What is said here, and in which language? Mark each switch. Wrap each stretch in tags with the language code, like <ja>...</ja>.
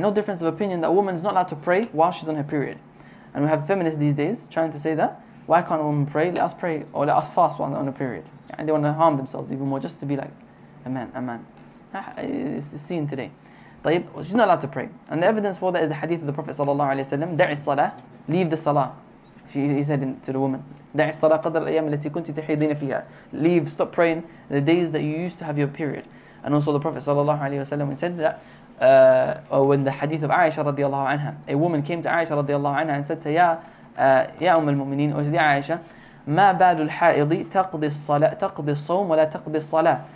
<en>No difference of opinion that a woman is not allowed to pray while she's on her period. And we have feminists these days trying to say that. Why can't a woman pray? Let us pray. Or let us fast while on her period. And they want to harm themselves even more just to be like a man. It's the scene today. طيب, she's not allowed to pray. And the evidence for that is the hadith of the Prophet sallallahu alayhi wa sallam,</en> <ar>دعي الصلاة,</ar> <en>leave the salah. He said to the woman,</en> <ar>دعي الصلاة قدر الأيام التي كنت تحيضين فيها.</ar> <en>Leave, stop praying the days that you used to have your period. And also the Prophet sallallahu alayhi wa sallam said that when the hadith of Aisha radiallahu anha, a woman came to Aisha radiallahu anha and said to</en> <ar>يا أم المؤمنين,</ar> <en>or</en> <ar>يا عائشة, ما بال الحائض تقضي الصلاة</ar> <en>تقضي الصوم ولا تقضي الصلاة.</en>